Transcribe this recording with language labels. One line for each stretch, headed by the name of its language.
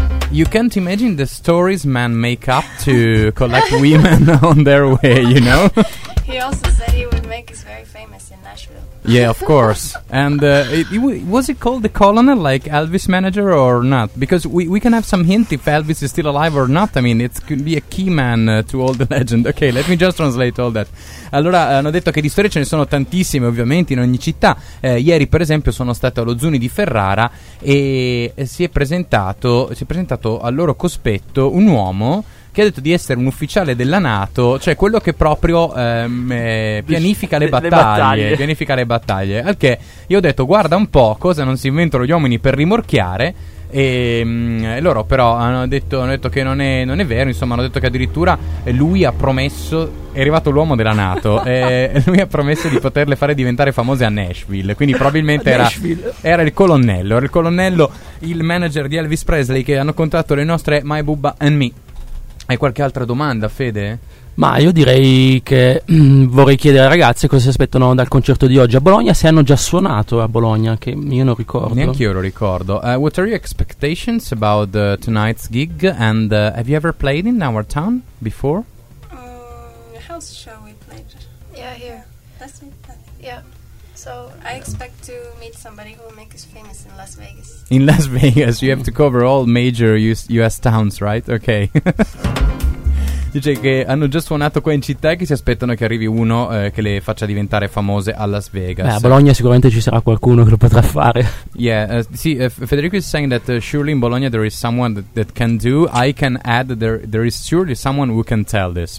English: You can't imagine the stories men make up to collect women on their way, you know? He also said he would make us very famous in Nashville. Yeah, of course. And was it called the Colonel, like Elvis' manager or not? Because we can have some hint if Elvis is still alive or not. I mean, it could be a key man to all the legend. Okay, let me just translate all that.
Italian: Allora, hanno detto che di storie ce ne sono tantissime, ovviamente, in ogni città. Ieri, per esempio, sono stato allo Zuni di Ferrara e si è presentato al loro cospetto un uomo che ha detto di essere un ufficiale della NATO, cioè quello che proprio pianifica le battaglie. Al che io ho detto: guarda un po', cosa non si inventano gli uomini per rimorchiare. E loro però hanno detto che non è vero. Insomma, hanno detto che addirittura lui ha promesso, è arrivato l'uomo della NATO e lui ha promesso di poterle fare diventare famose a Nashville. Quindi probabilmente era il colonnello, il manager di Elvis Presley, che hanno contattato le nostre My Bubba and Me. Hai qualche altra domanda, Fede? Ma io direi che vorrei chiedere alle ragazze cosa si aspettano dal concerto di oggi a Bologna, se hanno già suonato a Bologna, che io non ricordo. Neanche io lo ricordo.
English: What are your expectations about tonight's gig? And have you ever played in our town before? House show we played. Yeah, here. Last week, I think. So I expect to meet somebody who will make us famous in Las Vegas. In Las Vegas, you have to cover all major US towns, right? Okay.
Italian: Dice che hanno già suonato qua in città e che si aspettano che arrivi uno che le faccia diventare famose a Las Vegas. Beh, a Bologna sicuramente ci sarà qualcuno che lo potrà fare.
English: Federico is saying that surely in Bologna there is someone that can do. I can add that there is surely someone who can tell this.